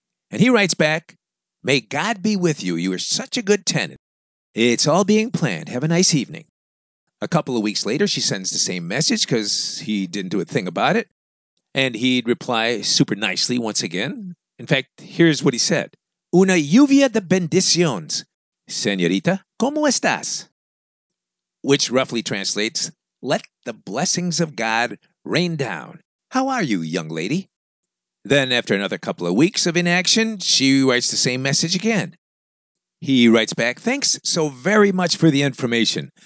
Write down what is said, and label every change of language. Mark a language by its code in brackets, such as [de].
[en] And he writes back, may God be with you. You are such a good tenant. It's all being planned. Have a nice evening. A couple of weeks later, she sends the same message because he didn't do a thing about it. And he'd reply super nicely once again. In fact, here's what he said. [es] Una lluvia de bendiciones. Señorita, ¿cómo estás? [en] Which roughly translates, let the blessings of God rain down. How are you, young lady? Then after another couple of weeks of inaction, she writes the same message again. He writes back, thanks so very much for the information.